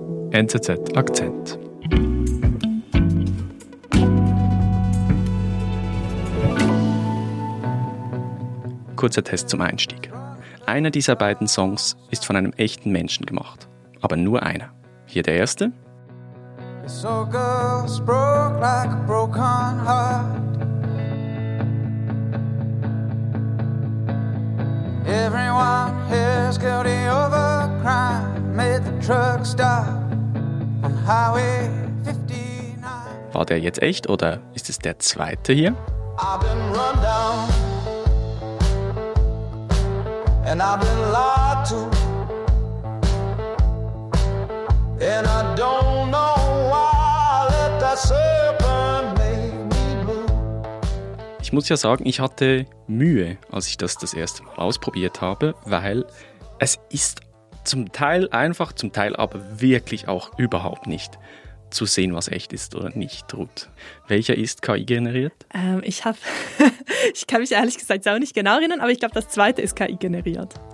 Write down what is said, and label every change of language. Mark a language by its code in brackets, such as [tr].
[de] NZZ Akzent. Kurzer Test zum Einstieg. Einer dieser beiden Songs ist von einem echten Menschen gemacht. Aber nur einer. Hier der erste. [en] So girls broke like a broken heart. Everyone here's guilty of a crime. Made the truck stop on Highway 59. [de] War der jetzt echt oder ist es der zweite hier? [en] I've been run down. And I've been lied to. And I don't know why I let that serpent make me blue. [de] Ich muss ja sagen, ich hatte Mühe, als ich das erste Mal ausprobiert habe, weil es ist zum Teil einfach, zum Teil aber wirklich auch überhaupt nicht zu sehen, was echt ist oder nicht, Ruth. Welcher ist KI generiert? Ich kann mich ehrlich gesagt auch nicht genau erinnern, aber ich glaube, das zweite ist KI generiert.